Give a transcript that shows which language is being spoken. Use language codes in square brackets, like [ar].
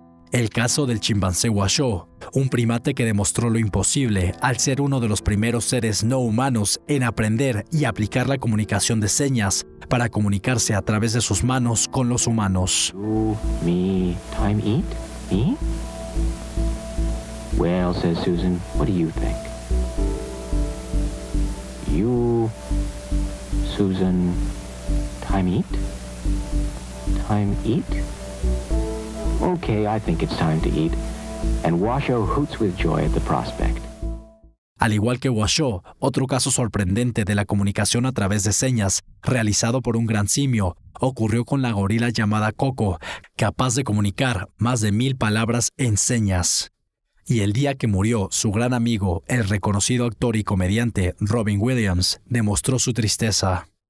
[es] El caso del chimpancé Washoe, un primate que demostró lo imposible al ser uno de los primeros seres no humanos en aprender y aplicar la comunicación de señas para comunicarse a través de sus manos con los humanos. [en] You, me, time, eat, me? Well, says Susan, what do you think? You, Susan, time, eat? Time, eat? Okay, I think it's time to eat. And Washoe hoots with joy at the prospect. [es] Al igual que Washoe, otro caso sorprendente de la comunicación a través de señas, realizado por un gran simio, ocurrió con la gorila llamada Coco, capaz de comunicar más de 1,000 palabras en señas. Y el día que murió, su gran amigo, el reconocido actor y comediante Robin Williams, demostró su tristeza.